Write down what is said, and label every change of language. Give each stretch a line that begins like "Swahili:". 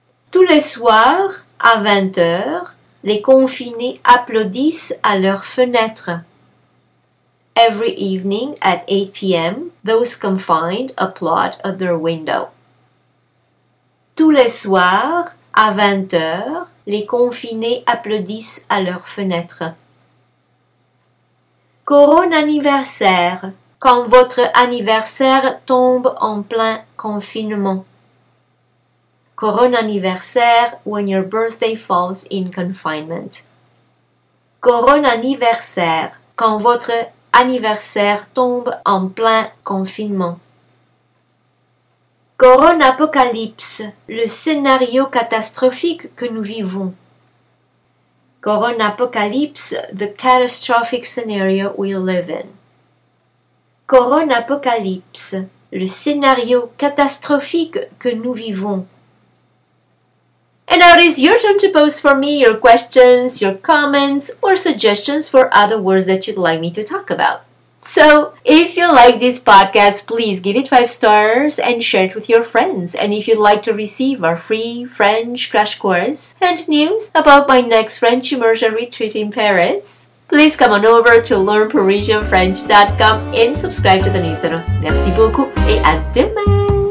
French: Tous les soirs, à 20h, les confinés applaudissent à leurs fenêtres.
English: Every evening at 8 p.m, those confined applaud at their window.
French: Tous les soirs, à 20h, les confinés applaudissent à leurs fenêtres. Corona anniversaire, quand votre anniversaire tombe en plein confinement.
English: Corona anniversaire, when your birthday falls in confinement.
French: Corona anniversaire, quand votre anniversaire tombe en plein confinement. Corona apocalypse, le scénario catastrophique que nous vivons.
English: Corona apocalypse, the catastrophic scenario we live in.
French: Corona apocalypse, le scénario catastrophique que nous vivons.
English: And now it is your turn to post for me your questions, your comments, or suggestions for other words that you'd like me to talk about. So, if you like this podcast, please give it 5 stars and share it with your friends. And if you'd like to receive our free French crash course and news about my next French immersion retreat in Paris, please come on over to learnparisianfrench.com and subscribe to the newsletter.
French: Merci beaucoup et à demain!